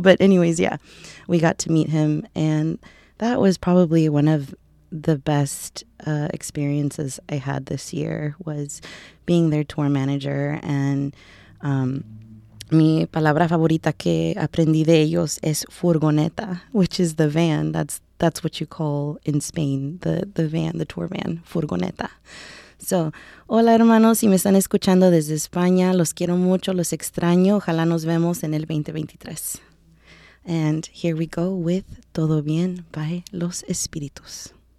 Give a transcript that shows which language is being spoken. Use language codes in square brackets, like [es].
[en] But anyways, yeah, we got to meet him, and that was probably one of the best experiences I had this year, was being their tour manager. And [es] mi palabra favorita que aprendí de ellos es furgoneta, [en] which is the van. That's what you call in Spain, the van, the tour van, furgoneta. So, [es] hola hermanos, si me están escuchando desde España, los quiero mucho, los extraño, ojalá nos vemos en el 2023. [en] And here we go with Todo Bien by Los Espíritus.